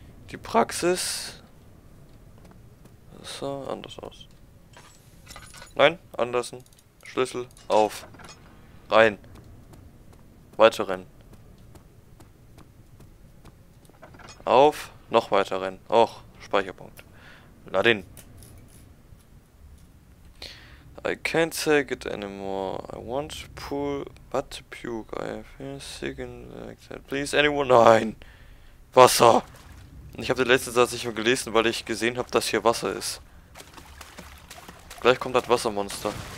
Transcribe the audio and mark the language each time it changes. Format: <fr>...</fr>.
<de>Die Praxis... Das sah anders aus. Nein, andersen. Schlüssel auf. Rein. Weiter rennen. Auf. Noch weiter rennen. Och, Speicherpunkt. Ladin.</de> <en>I can't take it anymore. I want to pull but to puke. I feel sick and like that. Please, anyone?</en> <de>Nein! Wasser! Ich habe den letzten Satz nicht mehr gelesen, weil ich gesehen habe, dass hier Wasser ist. Gleich kommt das Wassermonster.</de>